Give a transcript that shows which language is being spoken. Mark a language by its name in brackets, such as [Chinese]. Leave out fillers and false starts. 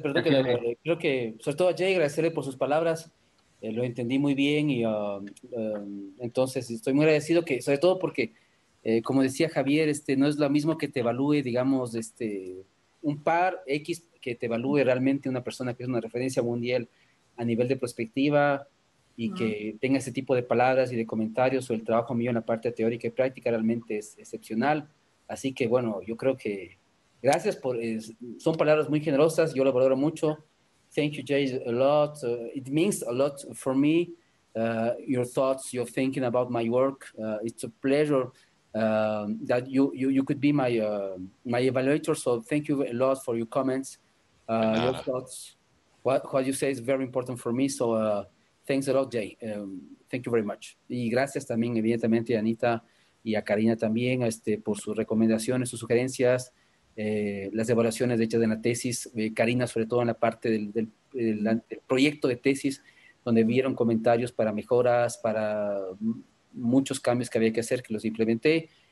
[Spanish] Perdón, que creo que, sobre todo a Jay, agradecerle por sus palabras, lo entendí muy bien y entonces estoy muy agradecido, que sobre todo porque, como decía Javier, no es lo mismo que te evalúe, digamos, un par X que te evalúe realmente una persona que es una referencia mundial a nivel de prospectiva y que tenga ese tipo de palabras y de comentarios, o el trabajo mío en la parte teórica y práctica realmente es excepcional. Así que, bueno, yo creo que gracias por... son palabras muy generosas, yo lo valoro mucho. [English] Thank you, Jay, a lot. It means a lot for me, your thoughts, your thinking about my work. It's a pleasure that you could be my my evaluator, so thank you a lot for your comments, your thoughts. What you say is very important for me, so thanks a lot, Jay. Thank you very much. [Spanish] Y gracias también, evidentemente, a Anita y a Karina también, por sus recomendaciones, sus sugerencias, las evaluaciones hechas en la tesis, Karina sobre todo en la parte del proyecto de tesis, donde vieron comentarios para mejoras, para muchos cambios que había que hacer, que los implementé.